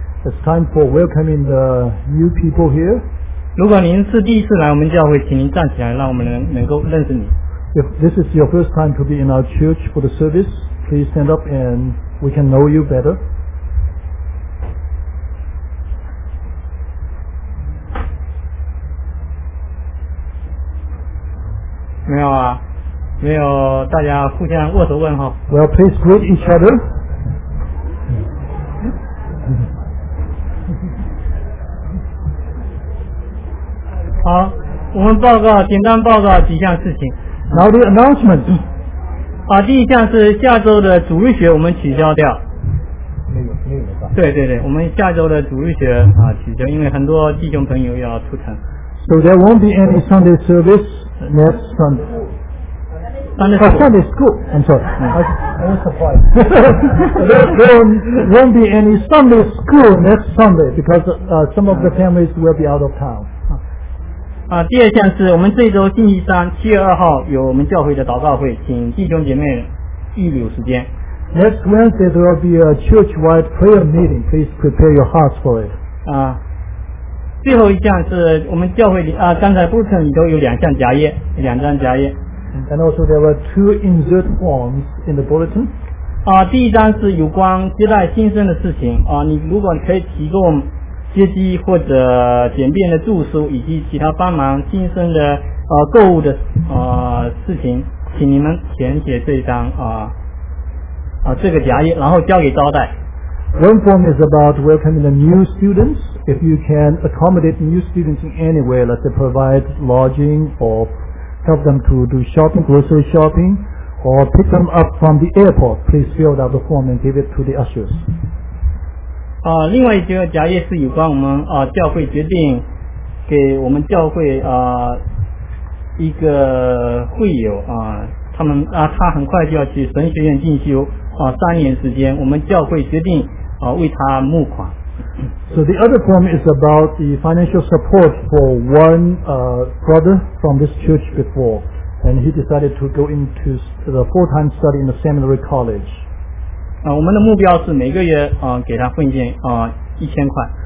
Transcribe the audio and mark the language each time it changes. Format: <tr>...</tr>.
<en>It's time for welcoming the new people here.</en> <zh>如果您是第一次来我们教会，请您站起来，让我们能够认识你。</zh> <en>If this is your first time to be in our church for the service, please stand up and we can know you better.</en> <zh>没有啊。没有，大家互相握手问候。</zh> <en>Well, please greet each other.</en> <zh>好，我们报告，简单报告几项事情。</zh> <en>Now the announcement.</en> <zh>好，第一项是下周的主日学我们取消掉。没有吧？对对对，我们下周的主日学取消，因为很多弟兄朋友要出城。</zh> <en>So there won't be any Sunday service next Sunday. There won't be any Sunday school next Sunday because some of the families will be out of town.</en> <zh>第二项是我们这周星期三七月二号有我们教会的祷告会，请弟兄姐妹预留时间。</zh> <en>Next Wednesday there will be a church-wide prayer meeting. Please prepare your hearts for it.</en> <zh>最后一项是我们教会刚才布城里头有两项夹页，两张夹页。</zh> <en>And also there were two insert forms in the bulletin.</en> <zh>第一张是有关接待新生的事情。你如果可以提供接济或者简便的住宿以及其他帮忙晋升的购物的事情，请你们填写这张这个夹页，然后交给招待。</zh> <en>One form is about welcoming the new students. If you can accommodate new students in any way, let's say provide lodging or help them to do shopping, grocery shopping, or pick them up from the airport, please fill out the form and give it to the ushers.</en> <zh>另外一个夹页是有关我们教会决定给我们教会一个会友他很快就要去神学院进修三年时间，我们教会决定为他募款。</zh> <en>So the other form is about the financial support for one brother from this church before, and he decided to go into the full-time study in the seminary college.</en> <zh>我们的目标是每个月给他奉献1000块。</zh>